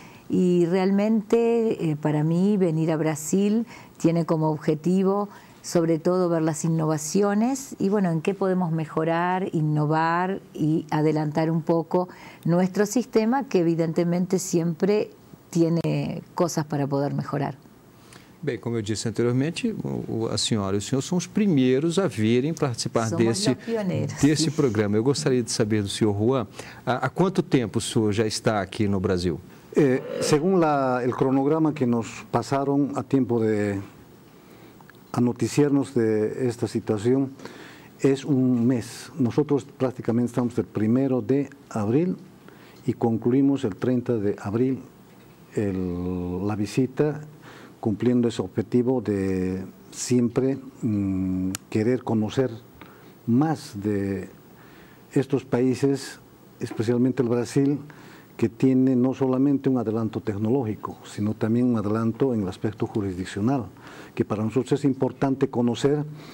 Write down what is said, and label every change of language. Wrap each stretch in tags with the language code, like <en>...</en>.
<es>Y realmente para mí venir a Brasil tiene como objetivo sobre todo ver las innovaciones y bueno, en qué podemos mejorar, innovar y adelantar un poco nuestro sistema, que evidentemente siempre tiene cosas para poder mejorar.</es> <pt>Bem, como eu disse anteriormente, a senhora e o senhor são os primeiros a virem participar desse programa. Eu gostaria de saber do senhor Juan, há quanto tempo o senhor já está aqui no Brasil?</pt> <es>Según el cronograma que nos pasaron a tiempo de anoticiarnos de esta situación, es un mes. Nosotros prácticamente estamos del 1 de abril y concluimos el 30 de abril la visita, cumpliendo ese objetivo de siempre querer conocer más de estos países, especialmente el Brasil, que tiene no solamente un adelanto tecnológico, sino también un adelanto en el aspecto jurisdiccional, que para nosotros es importante conocer,</es>